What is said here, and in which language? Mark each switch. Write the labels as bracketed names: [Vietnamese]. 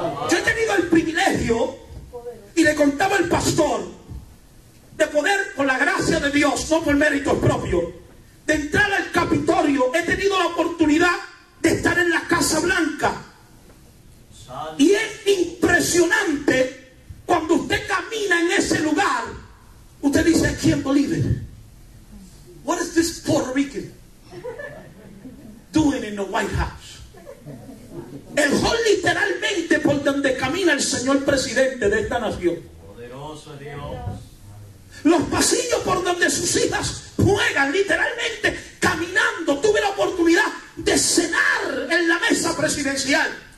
[Spanish] Yo he tenido el privilegio, y le contaba al pastor, de poder, por la gracia de Dios, no por méritos propios, de entrar al Capitolio. He tenido la oportunidad de estar en la Casa Blanca. Y es impresionante cuando usted camina en ese lugar. Usted dice, [English] I can't believe it. What is this Puerto Rican doing in the White House? [Spanish] El hall, literalmente, por donde camina el señor presidente de esta nación. Poderoso Dios. Los pasillos por donde sus hijas juegan, literalmente, caminando. Tuve la oportunidad de cenar en la mesa presidencial.